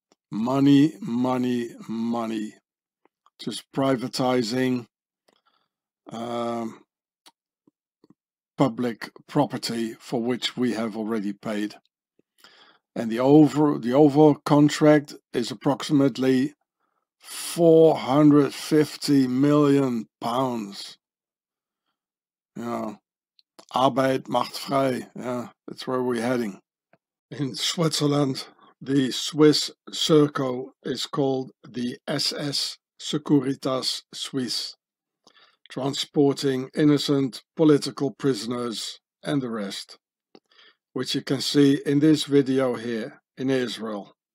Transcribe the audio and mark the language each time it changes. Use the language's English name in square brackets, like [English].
[English] Money, money, money. Just privatizing public property for which we have already paid. And the overall contract is approximately £450 million. You know, [German] Arbeit macht frei. [English] Yeah, that's where we're heading. In Switzerland, the Swiss Serco is called the SS Securitas Suisse, transporting innocent political prisoners and the rest, which you can see in this video here in Israel.